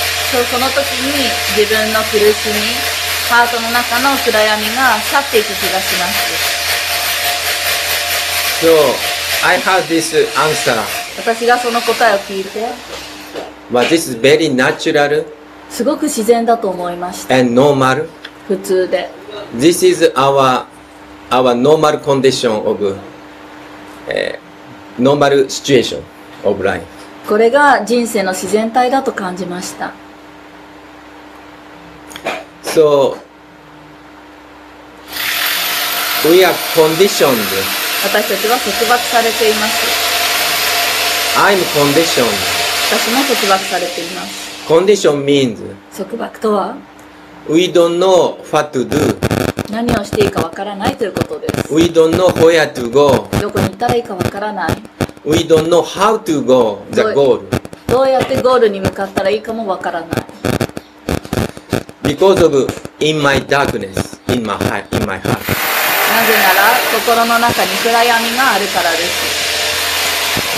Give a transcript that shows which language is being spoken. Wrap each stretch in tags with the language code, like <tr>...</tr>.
<ja>So, その時に自分の苦しみ、ハートの中の暗闇が去っていく気がします。</ja> <en>So, I have this answer.</en> <ja>私がその答えを聞いて、</ja> <en>Well, this is very natural.</en> <ja>すごく自然だと思いました。</ja> <en>And normal.</en> <ja>普通で。</ja> <en>This is our normal condition of, normal situation of life.</en> <ja>これが人生の自然体だと感じました。</ja> <en>So, we are conditioned.</en> <ja>私たちは束縛されています。</ja> <en>I'm conditioned.</en> <ja>私も束縛されています。</ja> <en>Condition means,</en> <ja>束縛とは</ja> <en>?We don't know what to do.</en> <ja>何をしていいかわからないということです。</ja> <en>We don't know where to go.</en> <ja>どこに行ったらいいかわからない。</ja> <en>We don't know how to go the goal.</en> <ja>どうやってゴールに向かったらいいかもわからない。</ja> <en>Because of in my darkness, in my heart.</en> <ja>なぜなら心の中に暗闇があるからです。</ja>